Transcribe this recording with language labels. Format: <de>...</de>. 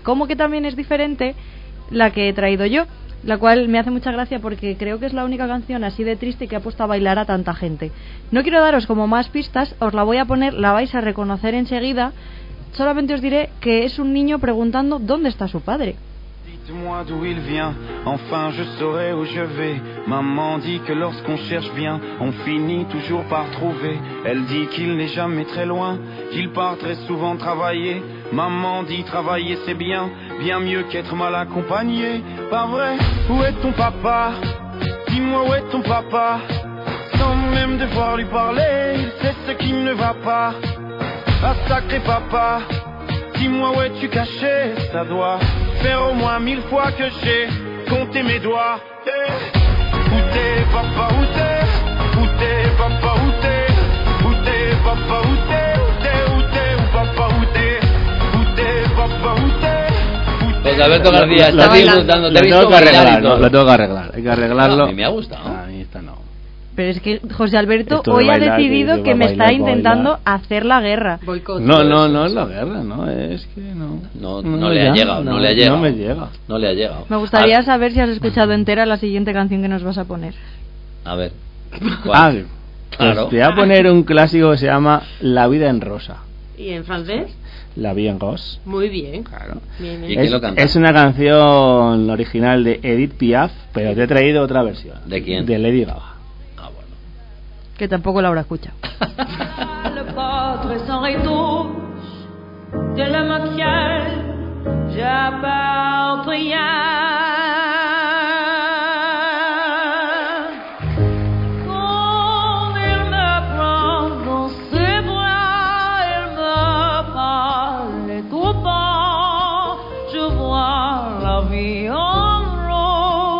<es>¿Cómo que también es diferente la que he traído yo? La cual me hace mucha gracia porque creo que es la única canción así de triste que ha puesto a bailar a tanta gente. No quiero daros como más pistas, os la voy a poner, la vais a reconocer enseguida. Solamente os diré que es un niño preguntando dónde está su padre.</es> <fr>Dites-moi d'où il vient, enfin je saurai où je vais. Maman dit que lorsqu'on cherche bien, on finit toujours par trouver. Elle dit qu'il n'est jamais très loin, qu'il part très souvent travailler. Maman dit travailler c'est bien, bien mieux qu'être mal accompagné. Pas vrai, où est ton papa? Dis-moi où est ton papa? Sans même devoir lui parler, il sait ce qui ne va pas. Ah sacré papa, dis-moi où es-tu caché? Ça doit faire au moins mille fois que j'ai compté mes doigts. Où t'es papa, où t'es? Où t'es papa, où t'es? Où t'es papa, où t'es? Où t'es, où t'es, où papa, où t'es? Où t'es papa, où t'es?</fr> <es>Pues Alberto García está disfrutando. Lo tengo que arreglar, lo tengo que arreglar. Hay que arreglarlo. A mí me ha gustado. A mí esta no. Pero es que José Alberto esto hoy de bailar, ha decidido que me está intentando bailar. Hacer la guerra. Boicot, no es la guerra, no, es que no. No le ha llegado. No me llega. No le ha llegado. Me gustaría saber si has escuchado entera la siguiente canción que nos vas a poner. A ver. ¿Cuál? Claro. Pues te voy a poner un clásico que se llama La vida en rosa. ¿Y en francés?</es> <fr>La vie en rose.</fr> <es>Muy bien. Claro. Bien. ¿Y quién lo canta? Es una canción original de Edith Piaf, pero te he traído otra versión. ¿De quién? De Lady Gaga. Que tampoco la habrá escuchado.</es> <fr>Le portre sans retouche de l'homme auquel j'appartiens. Quand il me prend dans ses bras, il me parle tout bas, je vois la vie en</fr>